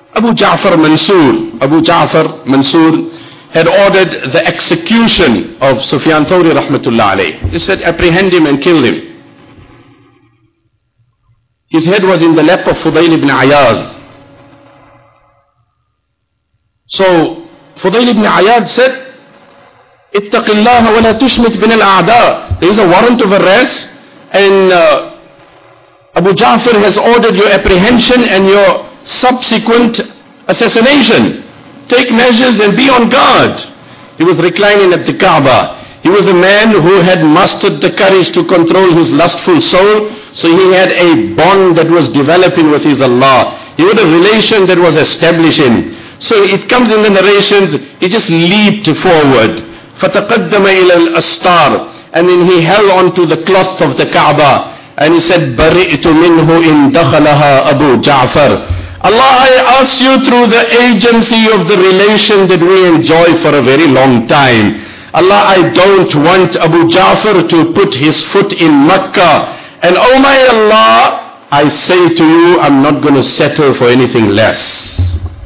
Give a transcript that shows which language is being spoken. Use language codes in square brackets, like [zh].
[en] Abu Ja'far Mansur had ordered the execution of Sufyan Thawri rahmatullah alayhi. He said, apprehend him and kill him. His head was in the lap of Fudayl ibn Ayyad. So Fudayl ibn Ayyad said, [ar] اتَّقِ اللَّهَ وَلَا تُشْمِتْ بِنَ الْأَعْدَاءِ. [en] There is a warrant of arrest, and Abu Ja'far has ordered your apprehension and your subsequent assassination. Take measures and be on guard. He was reclining at the Kaaba. He was a man who had mustered the courage to control his lustful soul, so he had a bond that was developing with his Allah. He had a relation that was establishing. So it comes in the narrations, he just leaped forward. [ar] فَتَقَدَّمَ إِلَى الْأَسْتَارِ. [en] And then he held on to the cloth of the Kaaba. And he said, [ar] بَرِئْتُ مِنْهُ إِنْ دَخَلَهَا أَبُو جَعْفَرِ. [en] Allah, I ask you through the agency of the relation that we enjoy for a very long time. Allah, I don't want Abu Ja'far to put his foot in Makkah. And oh my Allah, I say to you, I'm not going to settle for anything less.